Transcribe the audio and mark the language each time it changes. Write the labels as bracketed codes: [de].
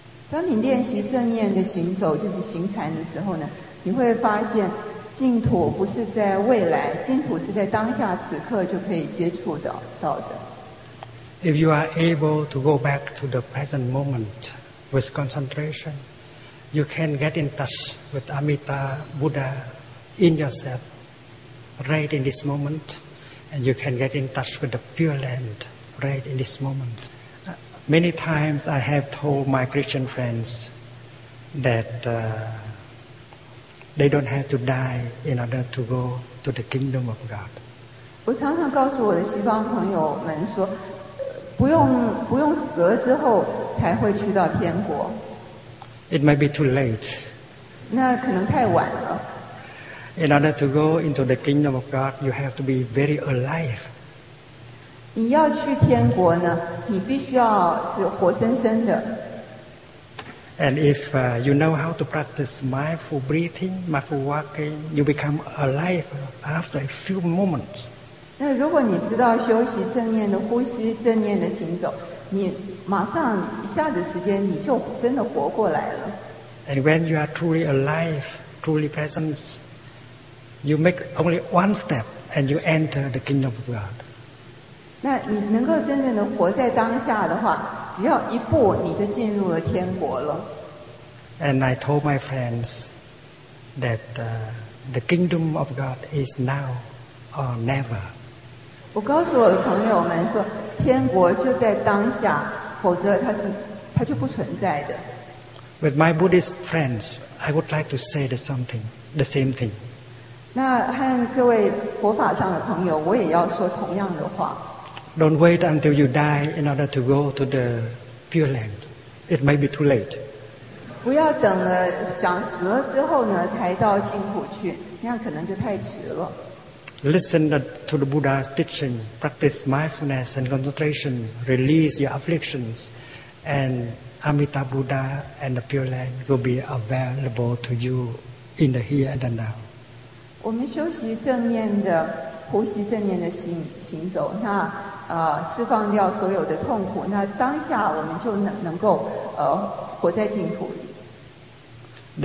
[zh] 当你练习正念的行走，就是行禅的时候呢？你会发现净土不是在未来，净土是在当下此刻就可以接触到的。 [en] If you are able to go back to the present moment with concentration, you can get in touch with Amitabha Buddha in yourself right in this moment, and you can get in touch with the Pure Land right in this moment. Many times I have told my Christian friends that they don't have to die in order to go to the kingdom of God. [zh] 我常常告诉我的西方朋友们说，不用死了之后才会去到天国。 [en] It might be too late. [zh] 那可能太晚了。 [en] In order to go into the kingdom of God, you have to be very alive. [zh] 你要去天国呢，你必须要是活生生的。 [en] And if you know how to practice mindful breathing, mindful walking, you become alive after a few moments. [zh] 那如果你知道休息正念的呼吸、正念的行走，你马上一下子时间你就真的活过来了。 [en] And when you are truly alive, truly present, you make only one step and you enter the kingdom of God. [zh] 那你能够真正的活在当下的话。只要一步，你就进入了天国了。 [en] And I told my friends that the kingdom of God is now or never. [zh] 我告诉我的朋友们说，天国就在当下，否则它就不存在的。 [en] With my Buddhist friends, I would like to say the same thing. [zh] 那和各位佛法上的朋友，我也要说同样的话。 [en] Don't wait until you die in order to go to the Pure Land. It might be too late. [zh] 不要等了，想死了之后呢，才到净土去，那样可能就太迟了。 [en] Listen to the Buddha's teaching. Practice mindfulness and concentration. Release your afflictions, and Amitabha Buddha and the Pure Land will be available to you in the here and the now. [zh] 我们修习正念的呼吸，正念的行走，那。释放掉所有的痛苦，那当下我们就能够活在净土里。